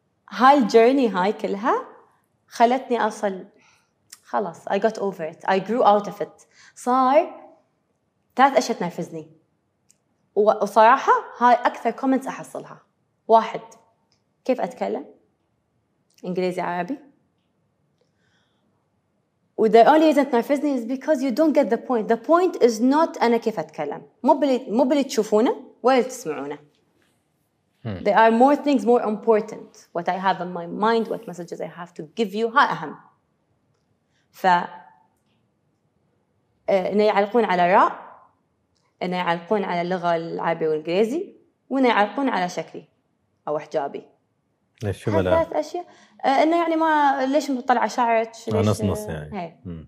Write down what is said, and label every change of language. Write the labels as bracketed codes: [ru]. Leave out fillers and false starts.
[ar] هاي الجيرني هاي كلها خلتني أصل خلاص [en] I got over it I grew out of it [ar] صار ثلاث أشياء تنرفزني وصراحة هاي أكثر كومنتس أحصلها واحد كيف أتكلم إنجليزي عربي [en] The only reason it nerves me is because you don't get the point. The point is not [ar] أنا كيف أتكلم. مو بلي تشوفونه ولا تسمعونه. [en] There are more things more important. What I have in my mind, what messages I have to give you, [ar] ها أهم. ف إنه يعلقون على راء, إنه يعلقون على اللغة العربية والإنجليزي, وإنه يعلقون على شكلي أو حجابي. ليش شو بلا؟ ثلاث أشياء. إنه يعني ما ليش مطلعة شعرك؟ نص نص يعني.